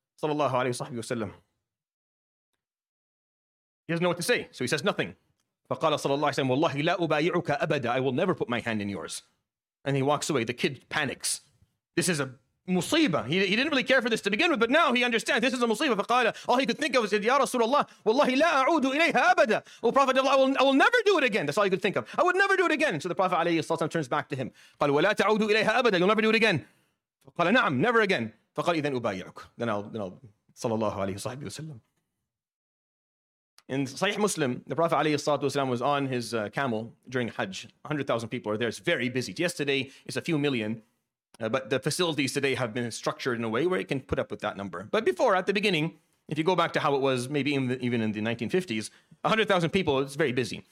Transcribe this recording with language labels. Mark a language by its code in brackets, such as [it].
[ar] Sallallahu alayhi wa sallam. [en] He doesn't know what to say, so he says nothing. [ar] فَقَالَ صَلَى اللَّهِ عَلَيْهِ وَاللَّهِ لَا أُبَايِعُكَ أَبَدًا. [en] I will never put my hand in yours. And he walks away. The kid panics. This is a musibah. He didn't really care for this to begin with, but now he understands this is a musibah. [ar] فَقَالَ, [en] all he could think of is, [ar] يَا رَسُولَ اللَّهِ وَاللَّهِ لَا أَعُودُ إِلَيْهَا أَبَدًا. [en] Oh, Prophet of Allah, I will never do it again. That's all he could think of. I would never do it again. So the Prophet alayhi wa sallam turns back to him. قَالَ, [ar] وَلَا تَعُودُ إِلَيْهَا أَبَدًا. [en] You'll never do it again. [ar] فقال نعم [en] never again. [ar] فقال إذن أبايعك. [en] then I'll [ar] صلى الله عليه وصحبه وسلم. [en] In Sahih Muslim, the Prophet عليه الصلاة والسلام was on his camel during Hajj. 100,000 people are there. It's very busy. Yesterday, it's a few million. But the facilities today have been structured in a way where it can put up with that number. But before, at the beginning, if you go back to how it was maybe even in the 1950s, 100,000 people, it's very busy.